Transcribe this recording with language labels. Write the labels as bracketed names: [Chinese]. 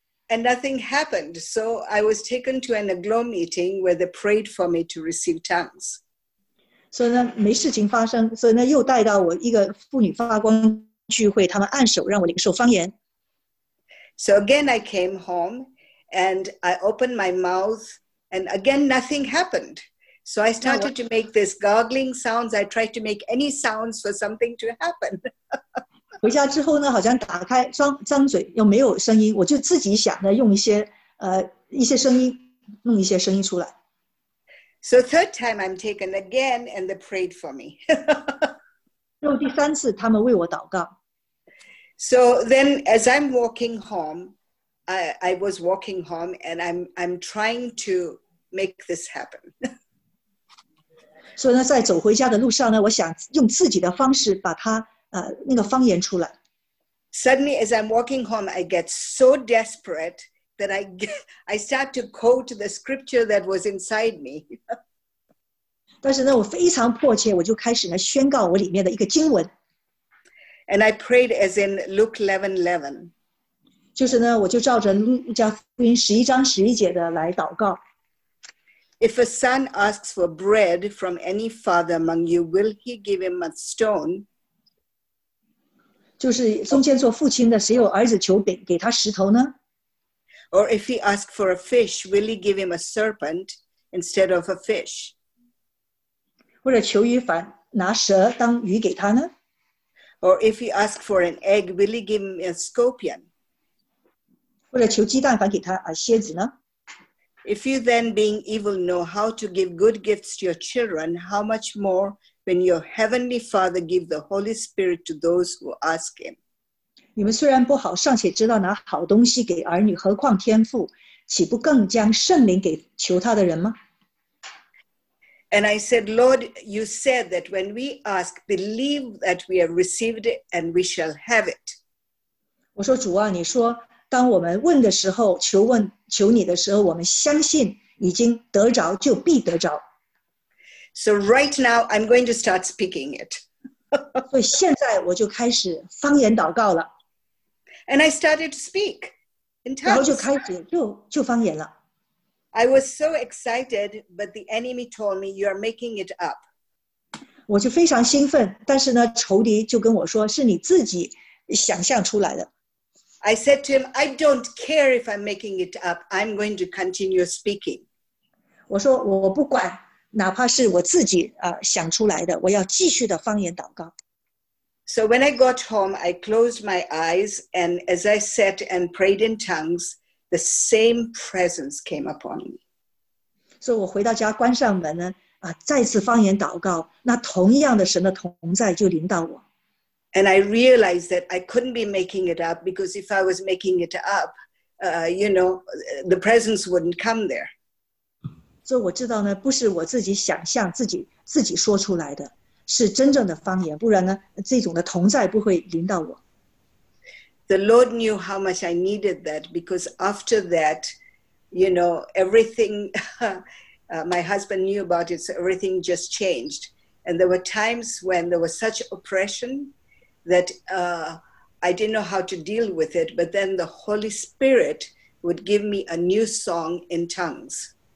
[English] and nothing happened, so I was taken to an aglow meeting where they prayed for me to receive tongues. [Chinese] 所以呢, 没事情发生, 所以呢, 又带到我一个妇女发光, 聚会，他们按手让我领受方言。 [English] So again, I came home and I opened my mouth, and again, nothing happened. So I started to make this gargling sounds. I tried to make any sounds for something to happen. [Chinese] 回家之后呢，好像打开张嘴又没有声音，我就自己想着用一些声音，弄一些声音出来。 [English] So third time I'm taken again, and they prayed for me. [Chinese] 又第三次，他们为我祷告。 [English] So then, as I'm walking home, I was walking home, and I'm trying to make this happen. [Chinese] 所以呢，在走回家的路上呢，我想用自己的方式把它那个方言出来。 [English] Suddenly, as I'm walking home, I get so desperate that I start to quote the scripture that was inside me. [Chinese] 但是呢，我非常迫切，我就开始呢宣告我里面的一个经文。 [English] And I prayed as in Luke 11:11. [Chinese] 就是呢，我就照着路加福音十一章十一节的来祷告。 [English] If a son asks for bread from any father among you, will he give him a stone? [Chinese] 就是中间做父亲的，谁有儿子求饼，给他石头呢？ [English] Or if he asks for a fish, will he give him a serpent instead of a fish? [Chinese] 或者求鱼反拿蛇当鱼给他呢？ [English] Or if he asks for an egg, will he give him a scorpion? [Chinese] 或者求鸡蛋反给他啊蝎子呢？ [English] If you then, being evil, know how to give good gifts to your children, how much more when your heavenly Father give the Holy Spirit to those who ask him? [Chinese] 你们虽然不好，尚且知道拿好东西给儿女，何况天父，岂不更将圣灵给求他的人吗？ [English] And I said, Lord, you said that when we ask, believe that we have received it and we shall have it. [Chinese] 我说主啊，你说当我们问的时候，求你的时候，我们相信已经得着，就必得着。 [English] So right now, I'm going to start speaking it. [Chinese] 所以现在我就开始方言祷告了。 [English] And I started to speak in tongues. [Chinese] 然后就开始就方言了。 [English] I was so excited, but the enemy told me, you are making it up. [Chinese] 我就非常兴奋，但是呢，仇敌就跟我说，是你自己想象出来的。 [English] I said to him, I don't care if I'm making it up, I'm going to continue speaking. [Chinese] 我说我不管，哪怕是我自己想出来的，我要继续的方言祷告。 [English] So when I got home, I closed my eyes, and as I sat and prayed in tongues,The same presence came upon me. [Chinese] So 我回到家关上门呢，再次方言祷告，那同样的神的同在就临到我。 [English] And I realized that I couldn't be making it up because if I was making it up, the presence wouldn't come there. [Chinese] So 我知道呢，不是我自己想象自己说出来的，是真正的方言，不然呢，这种的同在不会临到我。 [English] The Lord knew how much I needed that because after that, everything, my husband knew about it, so everything just changed. And there were times when there was such oppression that I didn't know how to deal with it, but then the Holy Spirit would give me a new song in tongues.